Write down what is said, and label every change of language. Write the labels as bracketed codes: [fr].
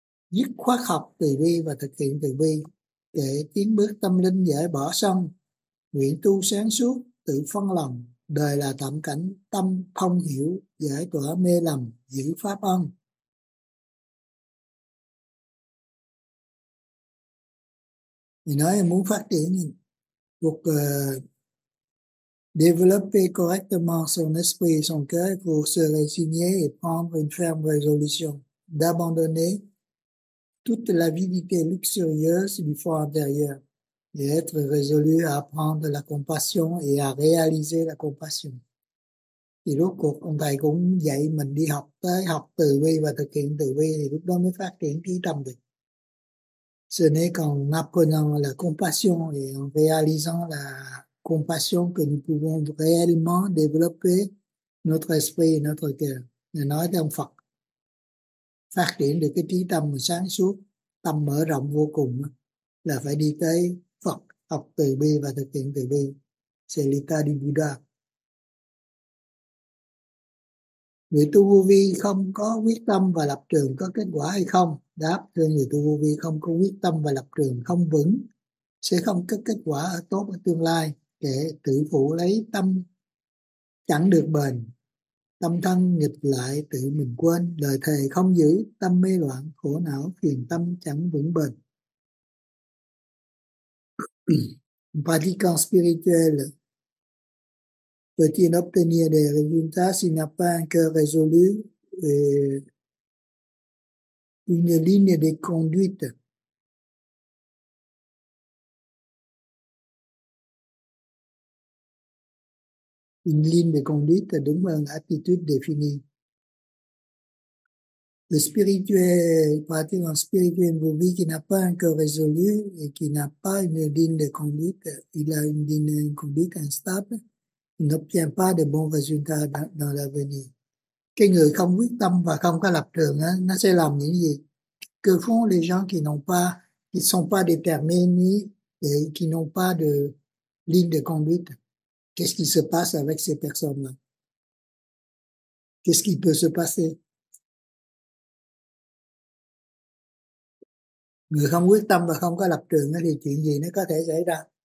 [vi] Dứt khoát học từ bi và thực hiện từ bi để tiến bước tâm linh giải bỏ xong. Nguyện tu sáng suốt, tự phân lòng. Đời là tạm cảnh, tâm thông hiểu, giải tỏa mê lầm, giữ pháp âm. Mình nói là muốn phát triển cuộc [fr] développer correctement son esprit et son cœur pour se résigner et prendre une ferme résolution d'abandonner toute l'avidité luxurieuse du fort intérieur et être résolu à apprendre la compassion et à réaliser la compassion. [vi] Et lúc cuộc ông thầy cũng dạy mình đi học tới học từ bi và thực hiện từ bi thì lúc đó mới phát triển trí tâm được. [fr] Ce n'est qu'en apprenant la compassion et en réalisant la compassion que nous pouvons réellement développer notre esprit et notre cœur. [vi] Nên nói trong Phật, phát triển được cái trí tâm sáng suốt, tâm mở rộng vô cùng là phải đi tới Phật, học từ bi và thực hiện từ bi. [fr] C'est l'état du Buddha. [vi] Người tu vô vi không có quyết tâm và lập trường có kết quả hay không? Đáp, thưa người tu vô vi không có quyết tâm và lập trường không vững sẽ không có kết quả ở tốt ở tương lai. Kẻ tự phụ lấy tâm chẳng được bền, tâm thân nghịch lại tự mình quên, lời thề không giữ, tâm mê loạn, khổ não phiền tâm chẳng vững bền. [fr] Pratiquant spirituel peut-il obtenir des résultats s'il n'a pas un cœur résolu et une ligne de conduite? Une ligne de conduite, donc une attitude définie. Le spirituel, pratiquant spirituel de vie qui n'a pas un cœur résolu et qui n'a pas une ligne de conduite, il a une ligne de conduite instable, il n'obtient pas de bons résultats dans l'avenir. [vi] Cái người không quyết tâm và không có lập trường, nó sẽ làm những gì? [fr] Que font les gens qui n'ont pas, qui sont pas déterminés et qui n'ont pas de ligne de conduite? Qu'est-ce qui se passe avec ces personnes-là? Qu'est-ce qui peut se passer? [vi] Người không quyết tâm và không có lập trường thì chuyện gì nó có thể xảy ra?